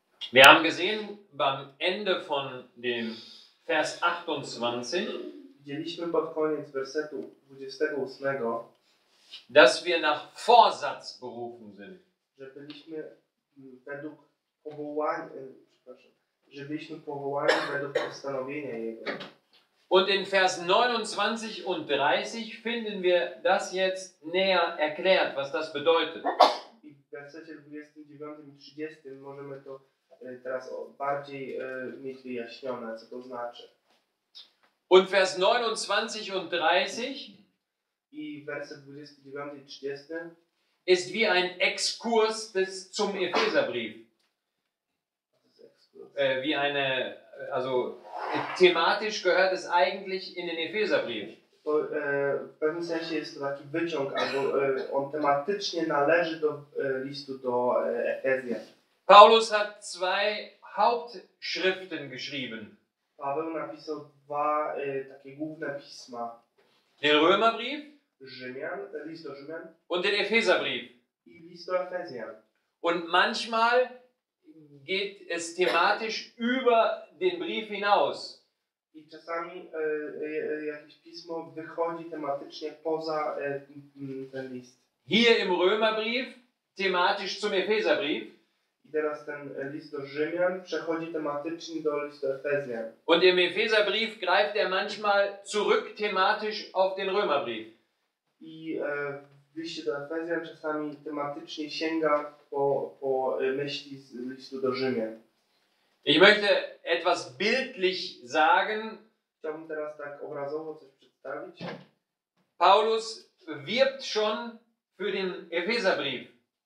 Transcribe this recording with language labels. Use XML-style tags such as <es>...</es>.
<de>Wir haben gesehen beim Ende von dem Vers 28,</de> <pl>widzieliśmy pod koniec wersetu 28,</pl> <de>dass wir nach Vorsatz berufen sind.</de> <pl>Że byliśmy według powołania, przepraszam, że byliśmy powołani według postanowienia Jego.</pl> <de>Und in Vers 29 und 30 finden wir das jetzt näher erklärt, was das bedeutet.</de> <pl>I w wersecie 29 i 30 możemy to teraz bardziej mieć wyjaśnione, co to znaczy.</pl> <de>Und Vers 29 und 30,</de> <pl>i werset 29 i 30</pl> <de>ist wie ein Exkurs bis zum Epheserbrief. Wie eine, also thematisch gehört es eigentlich in den Epheserbrief.</de> <pl>W pewnym sensie jest to taki wyciąg, albo on tematycznie należy do listu do Efezjan.</pl> <de>Paulus hat zwei Hauptschriften geschrieben.</de> <pl>Paweł napisał dwa takie główne pisma.</pl> <de>Den Römerbrief,</de> <pl>Rzymian, list do Rzymian,</pl> <de>und den Epheserbrief.</de> <pl>I list do Efezjan.</pl> <de>Und manchmal geht es thematisch über den Brief hinaus.</de> <pl>I czasami jakieś pismo wychodzi tematycznie poza ten list.</pl> <de>Hier im Römerbrief thematisch zum Epheserbrief.</de> <pl>I teraz ten list do Rzymian przechodzi tematycznie do listu do Efezjan.</pl> <de>Und im Epheserbrief greift manchmal zurück thematisch auf den Römerbrief.</de> <pl>I w liście do Efezjan czasami tematycznie sięga po myśli z listu do Rzymian.</pl> <de>Ich möchte etwas bildlich sagen.</de> <pl>Chciałbym teraz tak obrazowo coś przedstawić.</pl> <de>Paulus wirbt schon für den Epheserbrief.</de>